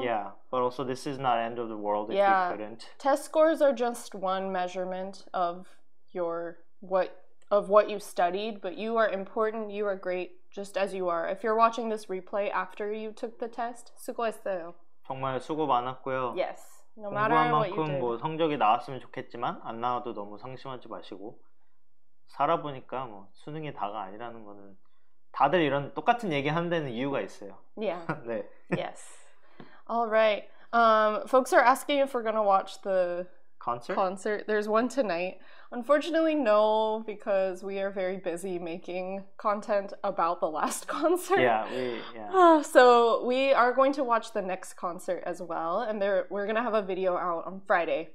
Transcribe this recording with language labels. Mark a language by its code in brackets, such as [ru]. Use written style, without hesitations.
[en] Yeah, but also this is not end of the world if yeah, you couldn't. Test scores are just one measurement of your what you studied, but you are important, you are great, just as you are. If you're watching this replay after you took the test, 수고했어요. [ko] 정말 수고 많았고요. [en] Yes, no matter what you did. [ko] 공부한 만큼 뭐 성적이 나왔으면 좋겠지만 안 나와도 너무 상심하지 마시고 살아보니까 뭐 수능이 다가 아니라는 거는 다들 이런 똑같은 얘기하는데는 이유가 있어요. [en] Yeah. [ko] 네. [en] Yes. All right. Folks are asking if we're gonna watch the concert. There's one tonight. Unfortunately, no, because we are very busy making content about the last concert. Yeah. So we are going to watch the next concert as well, and we're gonna have a video out on Friday.